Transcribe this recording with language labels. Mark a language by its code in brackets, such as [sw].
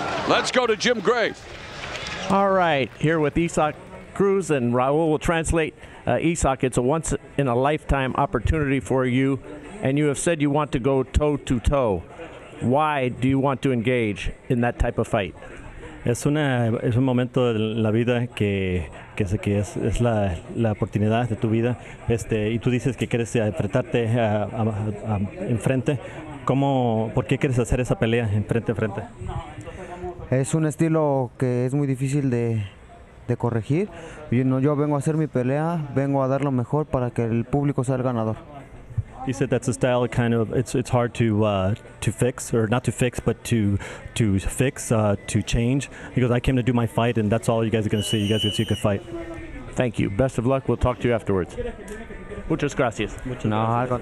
[en] Let's go to Jim Gray. All right, here with Isak Cruz, and Raul will translate. Isak, it's a once-in-a-lifetime opportunity for you, and you have said you want to go toe-to-toe. Why do you want to engage in that type of fight? [es] Es un momento de la vida que es la oportunidad de tu vida. Y tú dices que quieres enfrentarte enfrente. ¿Cómo, por qué quieres hacer esa pelea enfrente a frente? Es un estilo que es muy difícil de corregir. Yo vengo a hacer mi pelea, vengo a dar lo mejor para que el público sea el ganador. [en] You said that's a style kind of it's hard to fix, or not to fix, but to fix, to change. Because I came to do my fight, and that's all you guys are going to see. You guys are going to see a good fight. Thank you. Best of luck. We'll talk to you afterwards. [es] Muchas gracias. [en] No, I don't